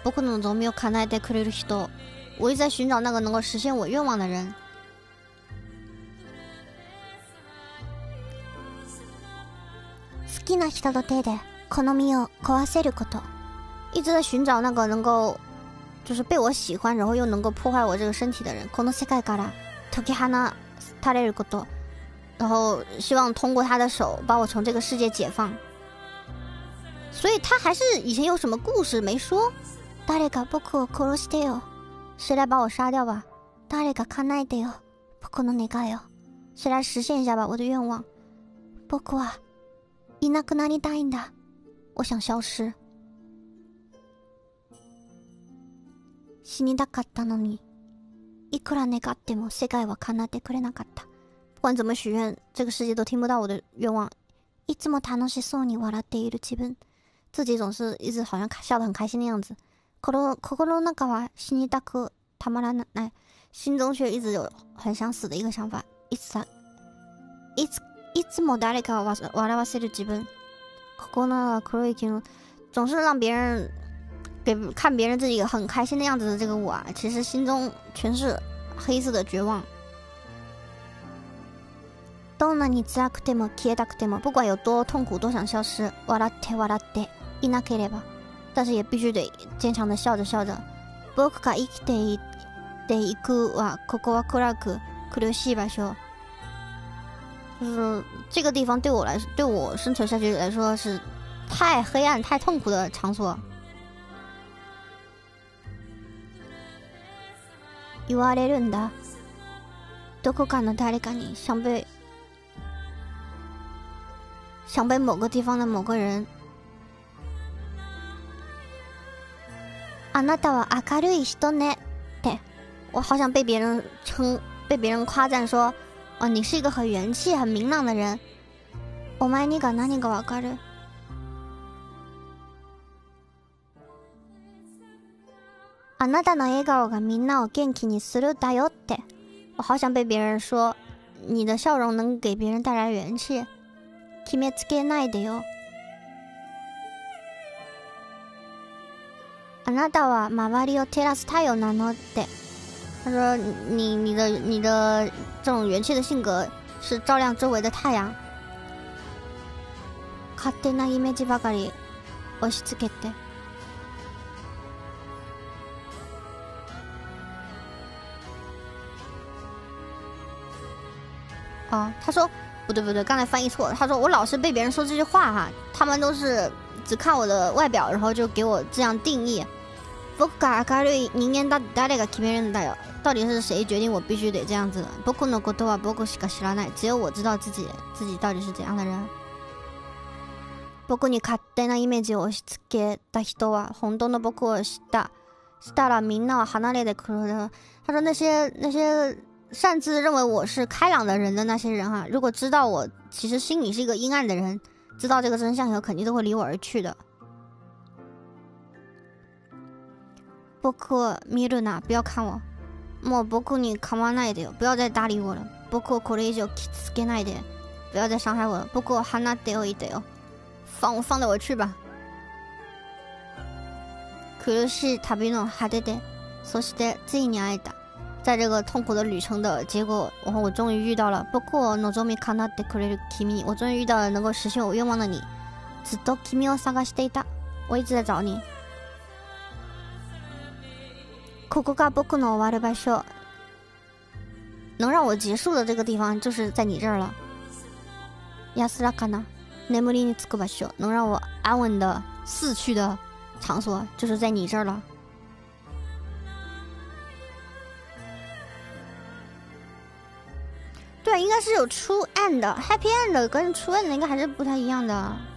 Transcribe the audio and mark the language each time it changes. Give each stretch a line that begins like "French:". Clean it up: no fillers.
Japanese: 僕の望みを叶えてくれる人。
Chinese: 我一直在寻找那个能够实现我愿望的人。
Japanese: 好きな人の手でこの身を壊せること。
Chinese: 一直在寻找那个能够，就是被我喜欢，然后又能够破坏我这个身体的人。
Japanese: この世界から解き放たれること。
Chinese: 然后希望通过他的手把我从这个世界解放。所以他还是以前有什么故事没说？
Japanese: 誰か僕を殺してよ。
Chinese: 谁来把我杀掉吧？
Japanese: 誰か叶えてよ。僕の願いよ。
Chinese: 谁来实现一下吧我的愿望。
Japanese: 僕はいなくなりたいんだ。
Chinese: 我想消失。
Japanese: 死にたかったのに、いくら願っても世界は叶ってくれなかった。
Chinese: 不管怎么许愿，这个世界都听不到我的愿望。
Japanese: いつも楽しそうに笑っている自分，
Chinese: 自己总是一直好像笑得很开心的样子。
Japanese: 心の中は死にたくたまらない，
Chinese: 心中却一直有很想死的一个想法。
Japanese: いつも誰かを笑わせる自分，心は黒い金、
Chinese: 总是让别人给看别人自己很开心的样子的这个我啊，其实心中全是黑色的绝望。
Japanese: どんなに辛くても消えたくても、
Chinese: 不管有多痛苦多想消失、
Japanese: 笑って笑っていなければ、
Chinese: 但是也必须得坚强的笑着笑着。
Japanese: 僕が生きていくはここは暗く苦しい場所。
Chinese: 就是这个地方对我生存下去来说是太黑暗太痛苦的场所。
Japanese: 言われるんだ。どこかの誰かに
Chinese: 想被某个地方的某个人。
Japanese: あなたは明るい人ね。
Chinese: 对，我好像被别人夸赞说，哦，你是一个很元气很明朗的人。
Japanese: お前にが何がわかる。あなたの笑顔がみんなを元気にするだよって。
Chinese: 我好想被别人说你的笑容能给别人带来元气。
Japanese: 決めつけないでよ。あなたは周りを照らす太陽なのって。
Chinese: 他说你的这种元气的性格是照亮周围的太阳。
Japanese: 勝手なイメージばかり押し付けて。
Chinese: 啊，他说不对，刚才翻译错了。他说我老是被别人说这些话哈，他们都是只看我的外表，然后就给我这样定义。
Japanese: 僕が明るい人間だって誰が決めるんだよ。
Chinese: 到底是谁决定我必须得这样子的。
Japanese: 僕のことは僕しか知らない。
Chinese: 只有我知道自己到底是怎样的人。
Japanese: 僕に勝手なイメージを押し付けた人は本当の僕を知った。したらみんなは離れてくる。
Chinese: 他说那些擅自认为我是开朗的人的那些人啊，如果知道我其实心里是一个阴暗的人，知道这个真相以后肯定都会离我而去的。
Japanese: 僕を見るな，
Chinese: 不要看我。
Japanese: もう僕に構わないでよ，
Chinese: 不要再搭理我了。
Japanese: 僕をこれ以上傷つけないで，
Chinese: 不要再伤害我了。
Japanese: 僕を放っておいてよ，
Chinese: 放得我去吧。
Japanese: 苦しい旅の果てで、そしてついに会えた。
Chinese: 在这个痛苦的旅程的结果，然后我终于遇到了。
Japanese: 僕を望みかなってくれる君、
Chinese: 我终于遇到了能够实现我愿望的你。
Japanese: ずっと君を探していた，
Chinese: 我一直在找你。
Japanese: ここが僕の終わる場所。
Chinese: 能让我结束的这个地方就是在你这儿了。
Japanese: 安らかな眠りにつく場所。
Chinese: 能让我安稳的死去的场所就是在你这儿了。对，应该是有 true end， happy end 跟 true end 应该还是不太一样的。